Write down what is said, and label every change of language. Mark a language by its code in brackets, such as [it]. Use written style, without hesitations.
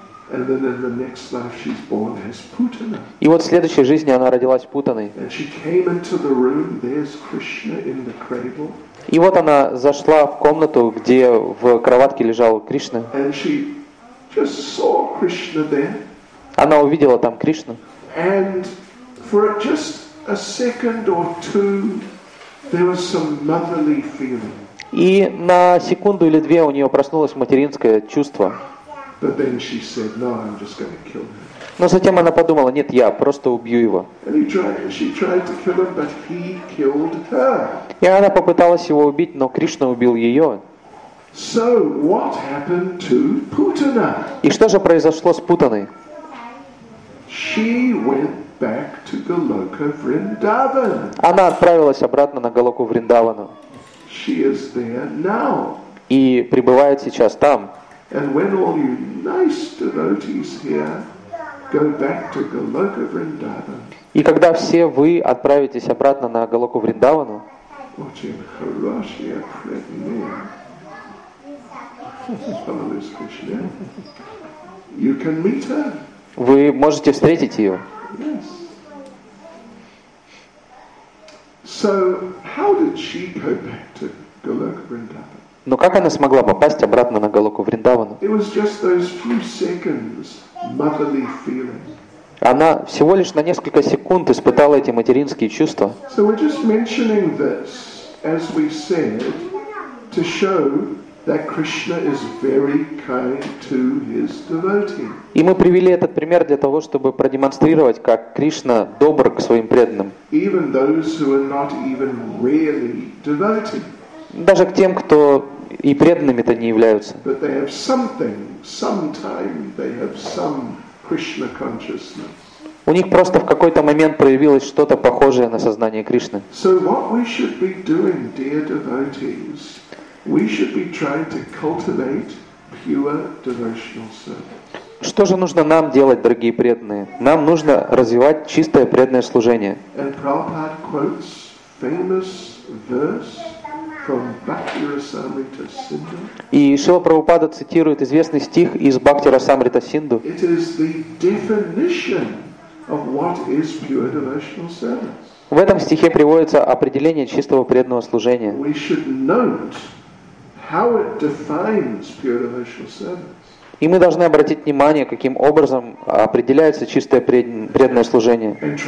[en] And then in the next life she's born as Putana. [ru] И вот в следующей жизни она родилась Путаной. [en] And she came into the room. There's Krishna in the cradle. [ru] И вот она зашла в комнату, где в кроватке лежал Кришна. [en] And she just saw Krishna there. [ru] Она увидела там Кришну. [en] And for just a second or two, there was some motherly feeling. [ru] И на секунду или две у нее проснулось материнское чувство. [en] But then she said, "No, I'm just going to kill him." [ru] Но затем она подумала: "Нет, я просто убью его." [en] And she tried to kill him, but he killed her. [ru] И она попыталась его убить, но Кришна убил ее. [en] So what happened to Putana? [ru] И что же произошло с Путаной? [en] She went back to Goloka Vrindavan. [ru] Она отправилась обратно на Голоку Вриндавану. [en] She is there now. [ru] И пребывает сейчас там. [en] And when all you nice devotees here go back to Goloka Vrindavan, [ru] и когда все вы отправитесь обратно на Голоку Вриндавану, очень хорошее предмет, Спамалис Кришне, [en] you can meet her. [ru] Вы можете встретить ее. [en] Yes. So how did she go back to Goloka Vrindavan? [ru] Но как она смогла попасть обратно на Голоку Вриндавану? Она всего лишь на несколько секунд испытала эти материнские чувства. И мы привели этот пример для того, чтобы продемонстрировать, как Кришна добр к своим преданным. Даже к тем, кто и преданными-то не являются. [en] But they have something, sometime they have some Krishna consciousness. [ru] У них просто в какой-то момент проявилось что-то похожее на сознание Кришны. [en] So what we should be doing, dear devotees, we should be trying to cultivate pure devotional service. [ru] Что же нужно нам делать, дорогие преданные? Нам нужно развивать чистое преданное служение. [en] And Prabhupada quotes famous verse from Bhaktirasamrita Sindhu. [ru] И Шрила Прабхупада цитирует известный стих из Бхактирасамрита Синду. [en] It is the definition of what is pure devotional service. [ru] В этом стихе приводится определение чистого преданного служения. [en] We should note how it defines pure devotional service. [ru] И мы должны обратить внимание, каким образом определяется чистое преданное служение.